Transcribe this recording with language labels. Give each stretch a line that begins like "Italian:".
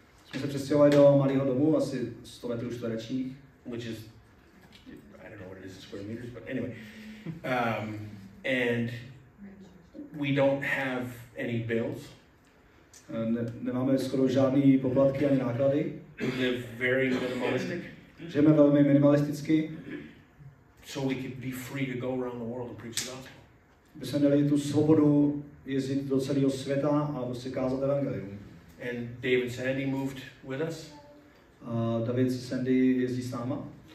Czech: Jsme se přestěhovali do malého domu, asi 100 metrů čtverečních.
English: Which is, I don't know what it is in square meters, but anyway. And we don't have any bills.
Czech: Nemáme skoro žádný poplatky ani náklady.
English: Live very minimalistic.
Czech: Žijeme velmi minimalisticky.
English: So we could be free to go around the world and preach the gospel.
Czech: By se měli tu svobodu jezdit do celého světa a prostě kázat evangelium.
English: And David Sandy moved with us.
Czech: David Sandy jezdí s náma.